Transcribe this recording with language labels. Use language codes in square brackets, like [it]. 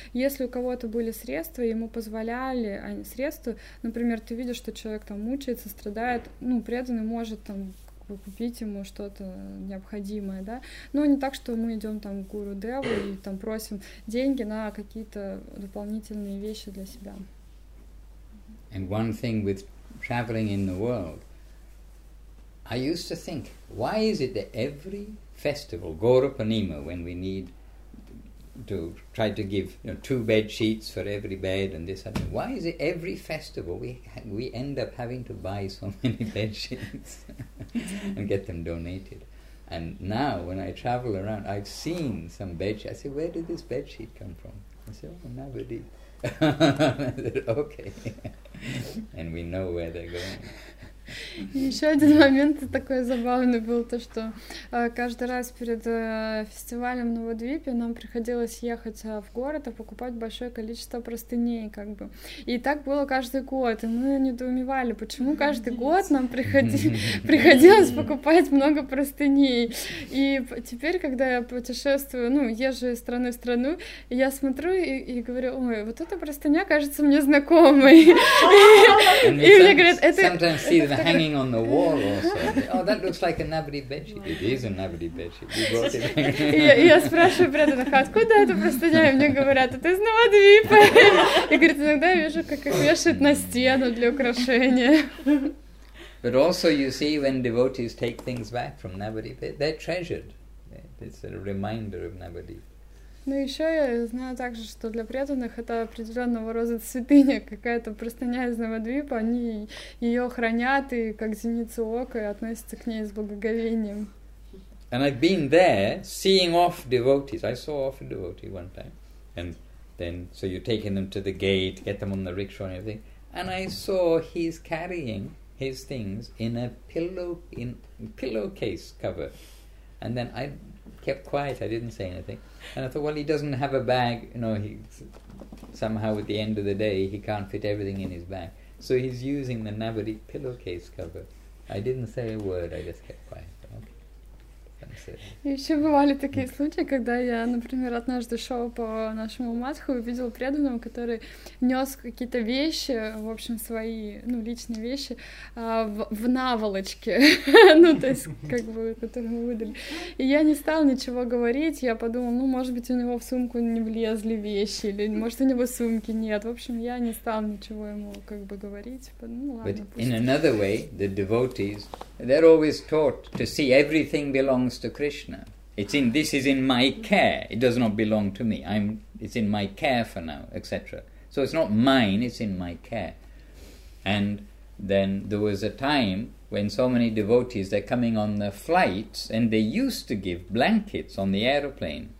[ru] Если у кого-то были средства, ему позволяли средства, например, ты видишь, что человек там мучается, страдает, ну, преданный может там купить ему что-то необходимое, да. Но не так, что мы идем там к Гуру Деву и там просим деньги на какие-то дополнительные вещи для себя. [en] And one thing with traveling in the world, I used to think, why is it that every festival, Gaura Purnima, when we need to try to give, you know, 2 bed sheets for every bed and this and that, why is it every festival we end up having to buy so many bed sheets and get them donated? And now when I travel around, I've seen some bed sheets. I say, where did this bed sheet come from? I say, oh, nobody. I said, okay. And we know where they're going. [ru] Еще один момент такой забавный был, то что каждый раз перед фестивалем Новодвипе нам приходилось ехать в город и покупать большое количество простыней, как бы. И так было каждый год, и мы недоумевали, почему каждый год нам приходилось покупать много простыней. И теперь, когда я путешествую, ну, езжу из страны в страну, я смотрю и говорю, ой, вот эта простыня кажется мне знакомой. И мне говорят, это... [en] Hanging on the wall also. Oh, that looks like a Navri bedsheet. It is a Navri bedsheet. You brought it. [ru] Я спрашиваю преданных, откуда эта простыня? И мне говорят, это из Новодвипа. И говорит, иногда я вижу, как их вешают на стену для украшения. [en] But also, you see, when devotees take things back from Navadvipa, they're treasured. It's a reminder of Navadvipa. [ru] Ну, еще я знаю также, что для преданных это определенного рода святыня, какая-то простыня из Новодвипа, они ее хранят и как зеницу ока и относятся к ней с благоговением. [en] And I've been there seeing off devotees. I saw off a devotee one time. And then, so you're taking them to the gate, get them on the rickshaw and everything. And I saw he's carrying his things in a pillowcase cover. And then I kept quiet, I didn't say anything. And I thought, well, he doesn't have a bag, you know, he somehow at the end of the day he can't fit everything in his bag. So he's using the Navadvipa pillowcase cover. I didn't say a word, I just kept quiet. [ru] И еще бывали такие случаи, когда я, например, однажды шел по нашему матху и увидел преданного, который нес какие-то вещи, в общем, свои, ну, личные вещи, в наволочке, ну, то есть, как бы, которую мы выдали. И я не стала ничего говорить, я подумала, ну, может быть, у него в сумку не влезли вещи, или, может, у него сумки нет. В общем, я не стала ничего ему, как бы, говорить. Ну, ладно, [en] but in another way, the devotees, they're always taught to see everything belongs to Krishna. This is in my care. It does not belong to me. It's in my care for now, etc. So it's not mine, it's in my care. And then there was a time when so many devotees, they're coming on the flights and they used to give blankets on the aeroplane.